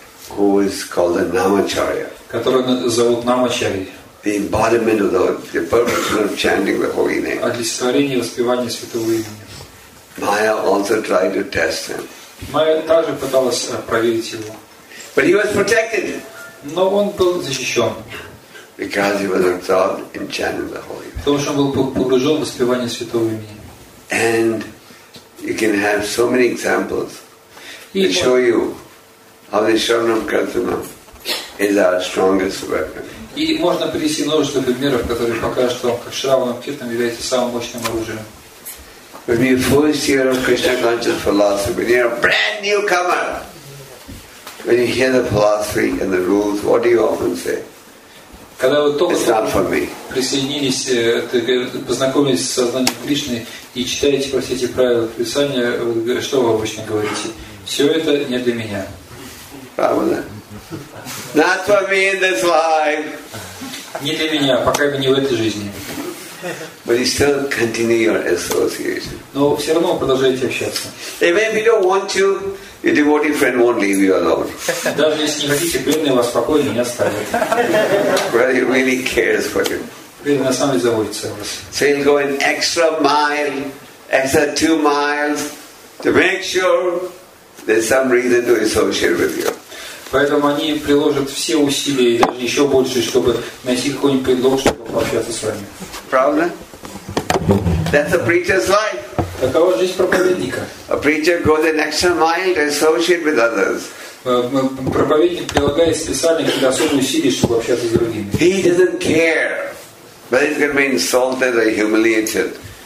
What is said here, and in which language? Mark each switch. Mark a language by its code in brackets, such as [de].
[en] Who is called a Namacharya? [ru] Которого зовут Намачари. [en] The embodiment of the perfection of chanting the holy name. [ru] Олицетворение воспевания святого имени. [en] Майя also tried to test him. [ru] Майя также пыталась проверить его. [en] But he was protected. [ru] Но он был защищен. [en] Because he was absorbed in chanting the holy name. [ru] Потому что он был погружен в воспевание святого имени. [en] And you can have so many examples that show you how the Shravanam Kirtana is our strongest weapon. [ru] И можно привести множество примеров, которые покажут вам, как Шравнам Киртан является самым мощным оружием. [en] When you first hear of Krishna conscious philosophy, when you're a brand newcomer, when you hear the philosophy and the rules, what do you often say? [ru] Когда вы только [en] it's not for me. [ru] Присоединились, познакомились с сознанием Кришны и читаете про все эти правила писания, что вы обычно говорите? Все это не для меня. [en] Not for me in this life. [ru] Не для меня, пока бы не в этой жизни. [en] But you still continue your association. [ru] Но все равно продолжаете общаться. [en] Even if you don't want to, your devotee friend won't leave you alone. [ru] Даже если не хотите, преданный вас спокойно не оставит. [en] Well, he really cares for you. [ru] Преданный на самом деле заботится о вас. [en] So he'll go an extra mile, extra 2 miles, to make sure there's some reason to associate with you. [ru] Поэтому они приложат все усилия, и даже еще больше, чтобы найти какой-нибудь предлог, чтобы пообщаться с вами. Правда? [en] That's a preacher's life. [ru] Такова жизнь проповедника. [en] A preacher goes an extra mile to associate with others. [ru] Проповедник прилагает специальные особые усилия, чтобы общаться с другими. [en] He doesn't care whether he's going to be insulted or humiliated.